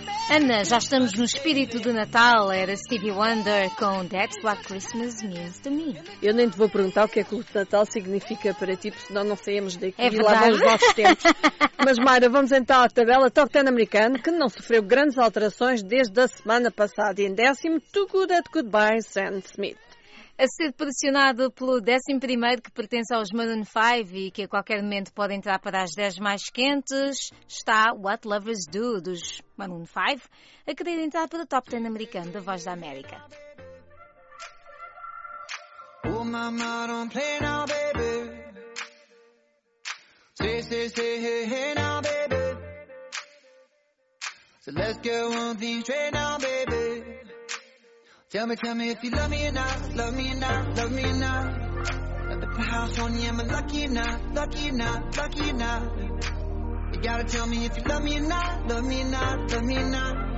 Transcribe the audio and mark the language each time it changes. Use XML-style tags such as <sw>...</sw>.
<pt>Ana, já estamos no espírito do Natal. Era Stevie Wonder com That's What Christmas Means to Me. Eu nem te vou perguntar o que é que o Natal significa para ti, porque senão não saímos daqui. É lá vão os nossos tempos. Mas Mayra, vamos então à tabela Top Ten americano, que não sofreu grandes alterações desde a semana passada. E em décimo, Too Good at Goodbye, Sam Smith. A ser pressionado pelo 11º, que pertence aos Maroon 5 e que a qualquer momento pode entrar para as 10 mais quentes, está What Lovers Do, dos Maroon 5, a querer entrar para o Top 10 americano da Voz da América.</pt> <en>Oh, mama, don't play now, baby. Say, say, say, hey, hey, now, baby. So let's go on things straight now, baby. Tell me if you love me or not, love me or not, love me or not. I bet the house on you, am I lucky or not, lucky or not, lucky or not. You gotta tell me if you love me or not, love me or not, love me or not.</en>